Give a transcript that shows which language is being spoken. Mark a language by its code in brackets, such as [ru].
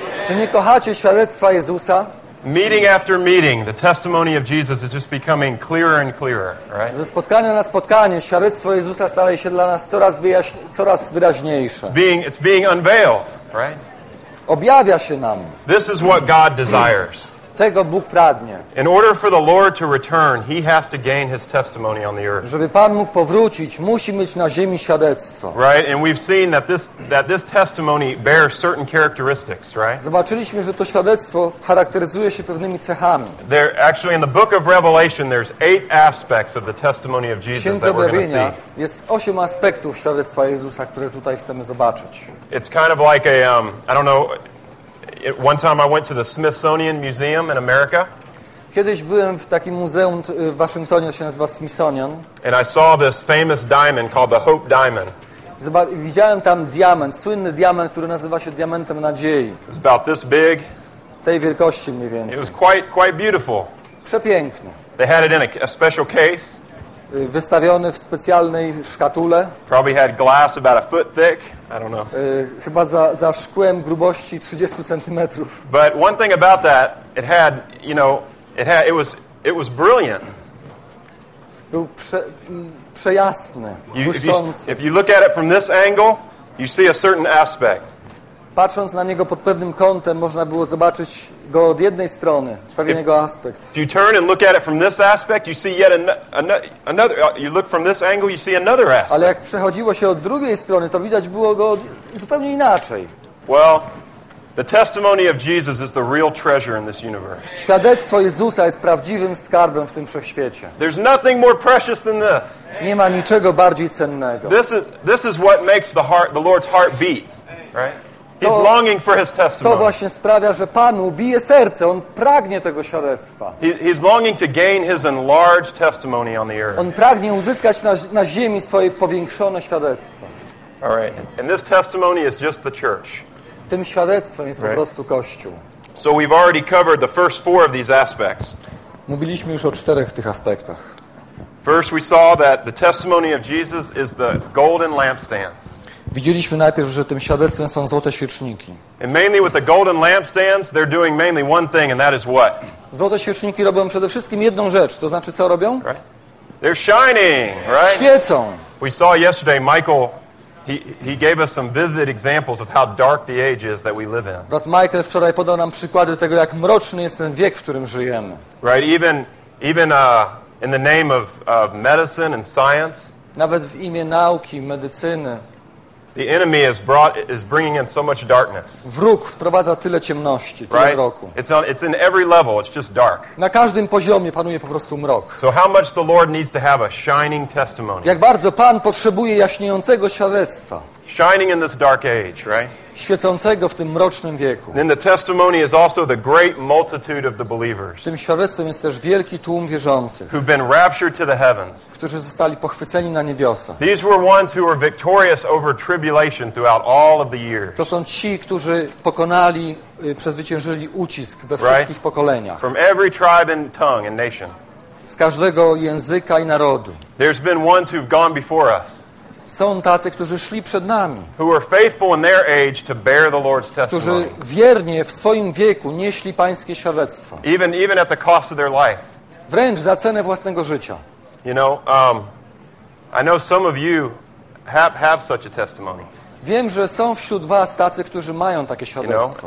[pl] Czy nie kochacie świadectwa Jezusa? [en] Meeting after meeting, the testimony of Jesus is just becoming clearer and clearer, right? [pl] Ze spotkania na spotkanie świadectwo Jezusa staje się dla nas coraz coraz wyraźniejsze. [en] It's being unveiled, right? [pl] Objawia się nam. [en] This is what God desires. [pl] Tego Bóg pragnie. [en] In order for the Lord to return, he has to gain his testimony on the earth. [pl] Żeby Pan mógł powrócić, musi mieć na ziemi świadectwo. [en] Right, and we've seen that this testimony bears certain characteristics, right? [pl] Zobaczyliśmy, że to świadectwo charakteryzuje się pewnymi cechami. [en] There actually in the book of Revelation there's 8 aspects of the testimony of Jesus that we're going to see. [pl] Jest 8 aspektów świadectwa Jezusa, które tutaj chcemy zobaczyć. [en] It's kind of like a I don't know. One time I went to the Smithsonian Museum in America. [pl] Kiedyś byłem w takim muzeum w Waszyngtonie, się nazywa Smithsonian. [en] And I saw this famous diamond called the Hope Diamond. [pl] Widziałem tam diament, słynny diament, który nazywa się diamentem nadziei. [en] It's about this big. [pl] Tej wielkości mniej więcej. [en] It was quite beautiful. [pl] Przepiękny. [en] They had it in a special case. Wystawiony w specjalnej szkatule. Probably had glass about a foot thick. I don't know. [pl] Chyba za szkłem grubości 30 centymetrów. [en] But one thing about that, it had, you know, it was brilliant. [pl] Był przejasny, błyszczący. [en] If you look at it from this angle, you see a certain aspect. Patrząc na niego pod pewnym kątem, można było zobaczyć go od jednej strony, pewien jego aspekt. If you turn and look at it from this aspect, you see yet another. You look from this angle, you see another aspect. [pl] Ale jak przechodziło się od drugiej strony, to widać było go zupełnie inaczej. [en] Well, the testimony of Jesus is the real treasure in this universe. [pl] Świadectwo Jezusa jest prawdziwym skarbem w tym wszechświecie. [en] There's nothing more precious than this. [pl] Nie ma niczego bardziej cennego. [en] This is what makes the Lord's heart beat, right? He's longing for his testimony. [pl] To właśnie sprawia, że Panu bije serce. On pragnie tego świadectwa. [en] He's longing to gain his enlarged testimony on the earth. [pl] On pragnie uzyskać na ziemi swoje powiększone świadectwo. [en] All right. And this testimony is just the church. [pl] Tym świadectwem jest right. Po prostu Kościół. [en] So we've already covered the first 4 of these aspects. [pl] Mówiliśmy już o 4 tych aspektach. [en] First we saw that the testimony of Jesus is the golden lampstands. [pl] Widzieliśmy najpierw, że tym świadectwem są złote świeczniki. [en] And mainly with the golden lampstands, they're doing mainly one thing, and that is what? [pl] Złote świeczniki robią przede wszystkim jedną rzecz. To znaczy, co robią? [en] Right. They're shining, right? [pl] Świecą. [en] We saw yesterday, Michael, he gave us some vivid examples of how dark the age is that we live in. [pl] Brat Michael wczoraj podał nam przykłady tego, jak mroczny jest ten wiek, w którym żyjemy. [en] Right, even in the name of medicine and science. [pl] Nawet w imię nauki, medycyny. [en] The enemy is bringing in so much darkness. [pl] Wróg wprowadza tyle ciemności, tyle [en] right? [pl] Mroku. [en] It's in every level. It's just dark. [pl] Na każdym poziomie panuje po prostu mrok. [en] So how much the Lord needs to have a shining testimony. [pl] Jak bardzo Pan potrzebuje jaśniejącego świadectwa. [en] Shining in this dark age, right? [pl] Świecącego w tym mrocznym wieku. [en] Then the testimony is also the great multitude of the believers. [pl] Tym świadectwem jest też wielki tłum wierzących. [en] Who've been raptured to the heavens. [pl] Którzy zostali pochwyceni na niebiosa. [en] These were ones who were victorious over tribulation throughout all of the years. [pl] To są ci, którzy pokonali, przezwyciężyli ucisk we wszystkich [en] right? [pl] pokoleniach. [en] From every tribe and tongue and nation. [pl] Z każdego języka i narodu. [en] There's been ones who've gone before us. [pl] Są tacy, którzy szli przed nami. [en] Who were faithful in their age to bear the Lord's testimony. [pl] Którzy wiernie w swoim wieku nieśli Pańskie świadectwo. [en] Even at the cost of their life. [pl] Wręcz za cenę własnego życia. [en] You know, I know some of you have such a testimony. [pl] Wiem, że są wśród was tacy, którzy mają takie świadectwo.